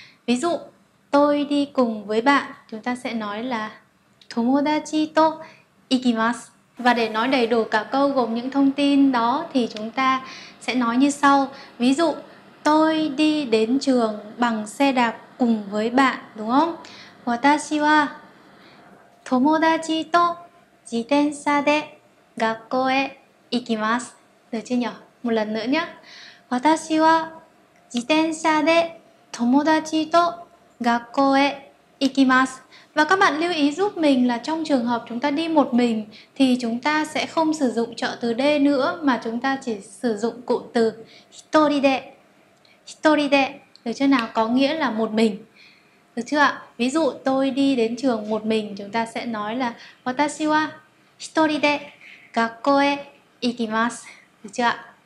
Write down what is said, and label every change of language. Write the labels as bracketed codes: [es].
[vi] Ví dụ, tôi đi cùng với bạn, chúng ta sẽ nói là [ja] 友達 to ikimasu. [vi] Và để nói đầy đủ cả câu gồm những thông tin đó thì chúng ta sẽ nói như sau. Ví dụ, tôi đi đến trường bằng xe đạp cùng với bạn, đúng không? [ja] 私は友達と自転車で学校へ行きます。 [vi] được chưa nhỉ? Một lần nữa nhé. [ja] 私は自転車で友達と学校へ行きます。 [vi] Và các bạn lưu ý giúp mình là trong trường hợp chúng ta đi một mình thì chúng ta sẽ không sử dụng trợ từ D nữa mà chúng ta chỉ sử dụng cụm từ [ja] hitori de. Hitori de, [vi] được chưa nào? Có nghĩa là một mình. Được chưa ạ? Ví dụ tôi đi đến trường một mình, chúng ta sẽ nói là [ja] 私は一人で学校へ行きます. [vi] Được chưa ạ?